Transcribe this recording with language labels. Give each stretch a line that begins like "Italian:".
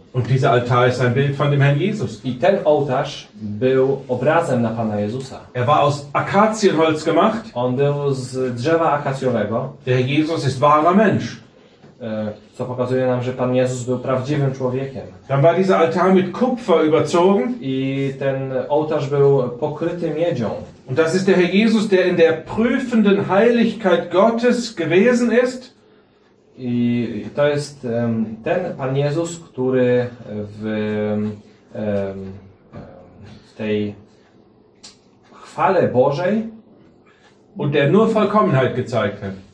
German: Und dieser Altar ist ein Bild von dem Herrn Jesus.
Polish: I ten ołtarz był obrazem na Pana Jezusa.
German: Er war aus Akazienholz gemacht.
Polish: On był z drzewa akacjowego.
German: Der Herr Jesus ist wahrer Mensch.
Polish: Co pokazuje nam, że Pan Jezus był prawdziwym człowiekiem.
German: Dann war dieser Altar mit Kupfer überzogen.
Polish: I ten ołtarz był pokryty miedzią.
German: Und das ist der Herr Jesus, der in der prüfenden Heiligkeit Gottes gewesen ist.
Polish: I to jest ten Pan Jezus, który w tej chwale Bożej
German: und der nur Vollkommenheit gezeigt hat.